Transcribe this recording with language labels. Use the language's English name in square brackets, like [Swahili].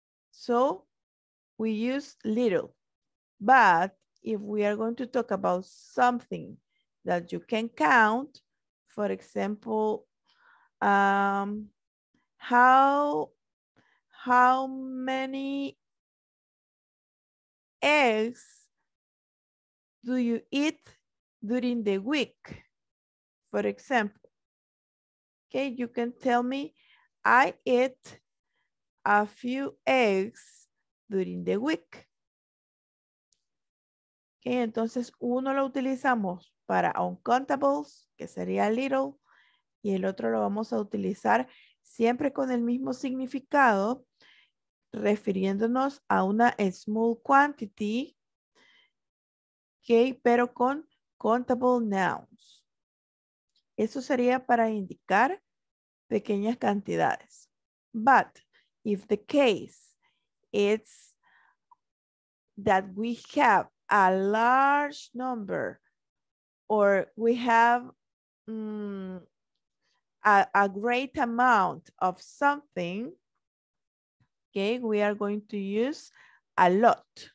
[English] So we use little, but if we are going to talk about something that you can count, for example, how many eggs do you eat during the week? For example, okay, you can tell me, I eat a few eggs during the week. [Spanish] Okay, entonces uno lo utilizamos para uncountables, que sería little, y el otro lo vamos a utilizar siempre con el mismo significado, refiriéndonos a una [English] small quantity, [Spanish] okay, pero con countable nouns. Eso sería para indicar pequeñas cantidades. [English] But if the case is that we have a large number, or we have a great amount of something, okay, we are going to use a lot.